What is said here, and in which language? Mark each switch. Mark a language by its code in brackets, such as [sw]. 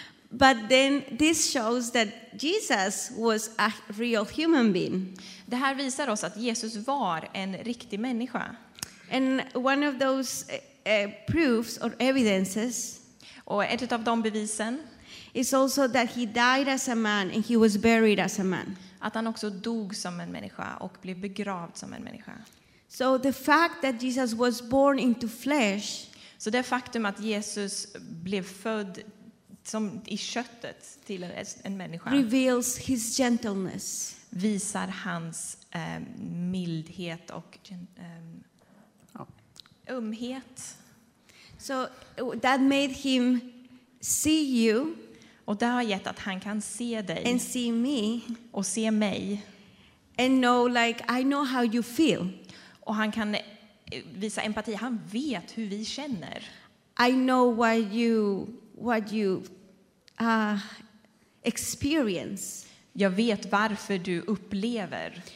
[en] But then this shows that Jesus was a real human being. [sv] Det här visar oss att Jesus var en riktig människa. [en] And one of those proofs or evidences, [sv] och ett av de bevisen, [en] is also that he died as a man and he was buried as a man. [sv] Att han också dog som en människa och blev begravd som en människa. [en] So the fact that Jesus was born into flesh, [sv] så det faktum att Jesus blev född som i köttet till en människa, [en] reveals his gentleness, [sv] visar hans mildhet och ömhet. [en] So that made him see you, [sv] och det har gett att han kan se dig, [en] and see me, [sv] och se mig, [en] and know, like, I know how you feel, [sv] och han kan visa empati, han vet hur vi känner. [en] I know what you experience. [sv] Jag vet varför du upplever.